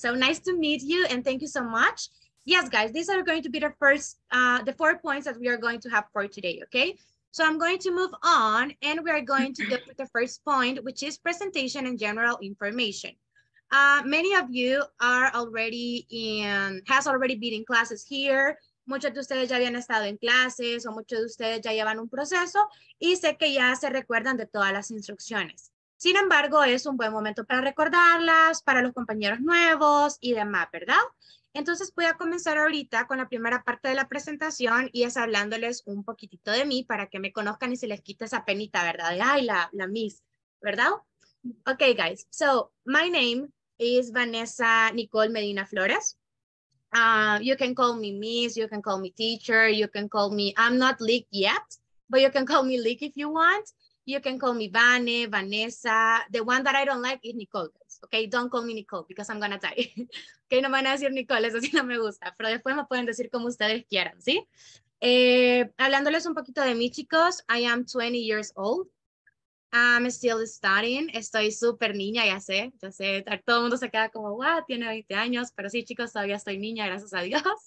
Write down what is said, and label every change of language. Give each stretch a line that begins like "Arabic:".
English: So nice to meet you and thank you so much. Yes, guys, these are going to be the first, the 4 points that we are going to have for today, okay? So I'm going to move on and we are going to get to the first point, which is presentation and general information. Many of you are already has already been in classes here.
Spanish: Muchos de ustedes ya habían estado en clases o muchos de ustedes ya llevan un proceso y sé que ya se recuerdan de todas las instrucciones. Sin embargo, es un buen momento para recordarlas, para los compañeros nuevos y demás, ¿verdad? Entonces voy a comenzar ahorita con la primera parte de la presentación y es hablándoles un poquitito de mí para que me conozcan y se les quite esa penita, ¿verdad? De, ay, la Miss, ¿verdad?
English: Okay, guys. So, my name is Vanessa Nicole Medina Flores. You can call me Miss, you can call me teacher, you can call me, I'm not Lick yet, but you can call me Lick if you want. You can call me Vane, Vanessa. The one that I don't like is Nicole, guys. Okay, don't call me Nicole because I'm gonna die.
Spanish: Okay, no me van a decir Nicole, eso sí no me gusta. Pero después me pueden decir como ustedes quieran, ¿sí? Hablándoles un poquito de mí, chicos.
English: I am 20 years old. I'm still studying.
Spanish: Estoy súper niña, ya sé. Todo el mundo se queda como, wow, tiene 20 años. Pero sí, chicos, todavía estoy niña, gracias a Dios.